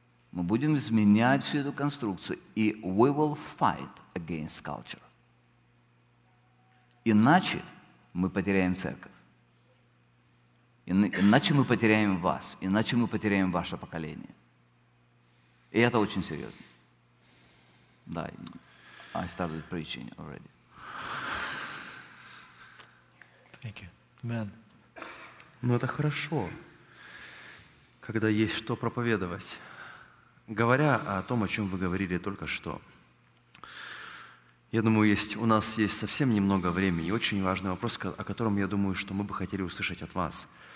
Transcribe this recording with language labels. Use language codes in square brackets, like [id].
[ru] Мы будем изменять всю эту конструкцию, и [en] we will fight against culture. [ru] Иначе мы потеряем церковь. Иначе мы потеряем вас, иначе мы потеряем ваше поколение. И это очень серьезно. [en] Да, I started preaching already. Thank you. Amen. [ru] Ну, это хорошо, когда есть что проповедовать. Говоря о том, о чем вы говорили только что, я думаю, у нас есть совсем немного времени, очень важный вопрос, о котором, я думаю, что мы бы хотели услышать от вас.